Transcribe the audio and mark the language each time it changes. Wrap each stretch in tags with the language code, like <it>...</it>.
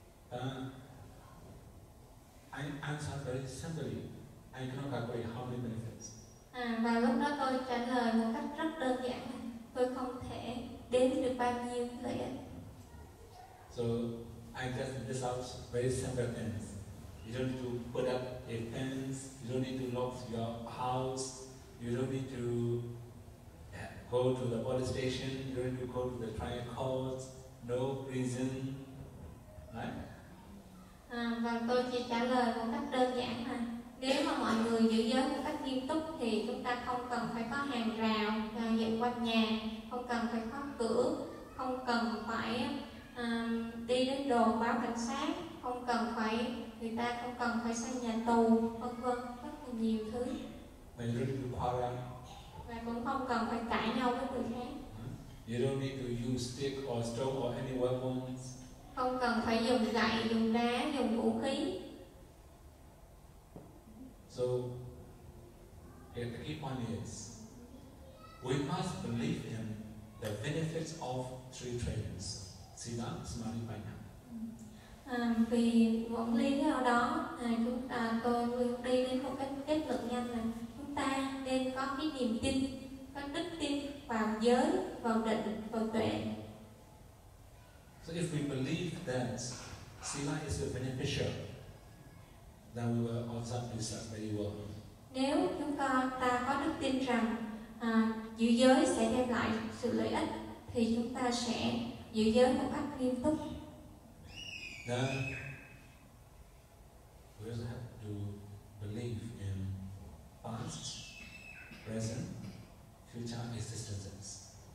<en>I answer very simply. I cannot calculate how many benefits.</en> <vi>Và lúc đó tôi trả lời một cách rất đơn giản, tôi không thể đếm được bao nhiêu lợi ích.</vi> <en>So I just list out very simple things. You don't need to put up a fence, you don't need to lock your house, You don't need to go to the police station. You don't need to go to the trial court. No prison, right?</en> <vi>Và tôi chỉ trả lời một cách đơn giản là nếu mà mọi người giữ giới một cách nghiêm túc thì chúng ta không cần phải có hàng rào dựng quanh nhà, không cần phải khóa cửa, không cần phải đi đến đồn báo cảnh sát, không cần phải người ta không cần phải xây nhà tù, vân vân, rất là nhiều thứ. Mình rất là khó khăn. Và cũng không cần phải cãi nhau với người khác.</vi> <en>You don't need to use stick or stone or any weapons.</en> <vi>Không cần phải dùng gậy, dùng đá, dùng vũ khí.</vi> <en>So, the key point is, we must believe in the benefits of three trainings. See that? Smiling by now.</en> <vi>Vì vọng lý do đó, tôi đi đến một cách kết luận nhanh là chúng ta nên có cái niềm tin, có đức tin vào giới, vào định, vào tuệ.</vi> <en>So if we believe that sila is a beneficial, then we will observe this very well.</en> <vi>Nếu chúng ta có đức tin rằng giữ giới sẽ đem lại sự lợi ích, thì chúng ta sẽ giữ giới một cách nghiêm túc.</vi> <en>Then we also have to believe in past, present, future existences.</en>